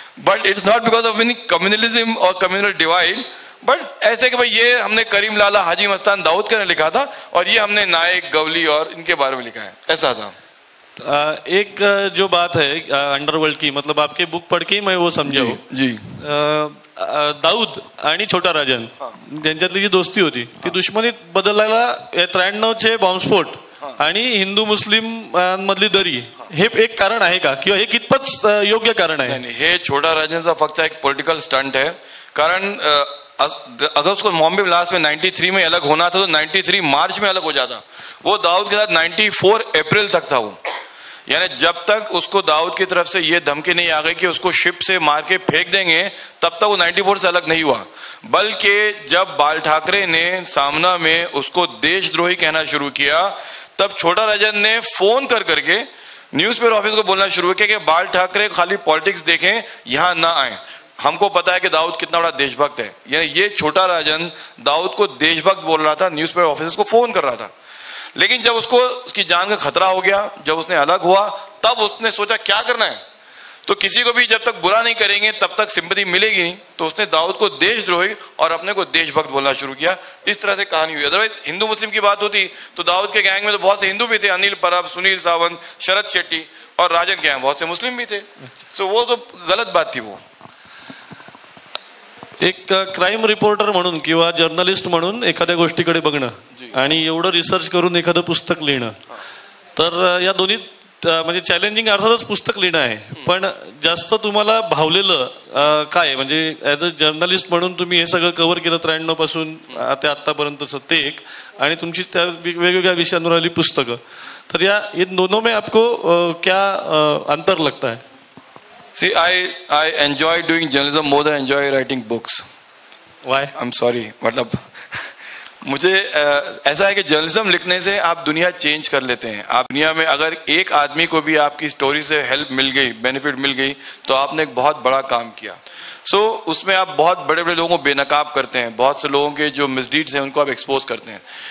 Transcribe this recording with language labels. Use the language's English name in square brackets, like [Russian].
[English] but it's not because of any communalism or communal divide, [Hindi] but ऐसे कि भाई ये हमने करीम लाला, हाजी मस्तान, दाऊद के लिखा था और ये हमने नायक, गवली और इनके बारे में लिखा है, ऐसा था. एक जो बात है अंडरवर्ल्ड की, मतलब आपके बुक पढ़ के मैं वो समझा जी, [Marathi] दाऊद आणि छोटा राजन त्यांच्यातली जी दोस्ती होती ती दुश्मनीत बदलायला 93 बॉम्बस्फोट आणि हिंदू मुस्लिम मधली दरी हे एक कारण आहे का, किंवा हे कितपत योग्य कारण आहे? हे छोटा राजनचा फक्त एक पॉलिटिकल स्टंट आहे. [Hindi] कारण अगर उसको बॉम्बे ब्लास्ट में 93 में अलग होना था तो 93 मार्च में अलग हो जाता. वो दाऊद के साथ 94 अप्रैल तक था वो, यानी जब तक उसको दाऊद की तरफ से ये धमकी नहीं आ गई कि उसको शिप से मार के फेंक देंगे, तब तक वो 94 से अलग नहीं हुआ. बल्कि जब बाल ठाकरे ने सामना में उसको देशद्रोही कहना शुरू किया, तब छोटा राजन ने फोन कर करके न्यूज़पेपर ऑफिस को बोलना शुरू किया कि बाल ठाकरे खाली पॉलिटिक्स देखें, यहां ना आए. हमको पता है कि दाऊद कितना बड़ा देशभक्त है, यानी ये छोटा राजन दाऊद को देशभक्त बोल रहा था, न्यूज़पेपर ऑफिस को फोन कर रहा था. लेकिन जब उसको उसकी जान का खतरा हो गया, जब उसने अलग हुआ, तब उसने सोचा क्या करना है. तो किसी को भी जब तक बुरा नहीं करेंगे तब तक सिंपथी मिलेगी नहीं. तो उसने दाऊद को देशद्रोही और अपने को देशभक्त बोलना शुरू किया. इस तरह से कहानी हुई. अदरवाइज हिंदू मुस्लिम की बात होती तो दाऊद के गैंग में तो बहुत से हिंदू भी थे, अनिल परब, सुनील सावंत, शरद शेट्टी और राजन के गैंग बहुत से मुस्लिम भी थे. सो वो तो गलत बात थी. वो [Marathi] एक क्राइम रिपोर्टर म्हणून किंवा जर्नलिस्ट म्हणून एखाद्या गोष्टीकडे बघणं आणि एवढं रिसर्च करून एखादं पुस्तक लिहिणं, तर या दोन्ही म्हणजे चॅलेंजिंग अर्थातच पुस्तक लिहिणं आहे, पण जास्त तुम्हाला भावलेलं काय म्हणजे [English] as a journalist [Marathi] म्हणून तुम्ही हे सगळं कव्हर केलं 93 पासून ते आतापर्यंत ते एक आणि तुमची त्या वेगवेगळ्या विषयांवर आली पुस्तकं, तर या [Hindi] दोनों में आपको क्या अंतर लगता है? [English] See, I enjoy doing journalism more than enjoy writing books. Why? I'm sorry. [Hindi] मतलब मुझे ऐसा है कि जर्नलिज्म लिखने से आप दुनिया चेंज कर लेते हैं. आप दुनिया में अगर एक आदमी को भी आपकी स्टोरी से हेल्प मिल गई, बेनिफिट मिल गई, तो आपने एक बहुत बड़ा काम किया. सो उसमें आप बहुत बड़े बड़े लोगों को बेनकाब करते हैं, बहुत से लोगों के जो मिसडीड्स हैं उनको आप एक्सपोज करते हैं.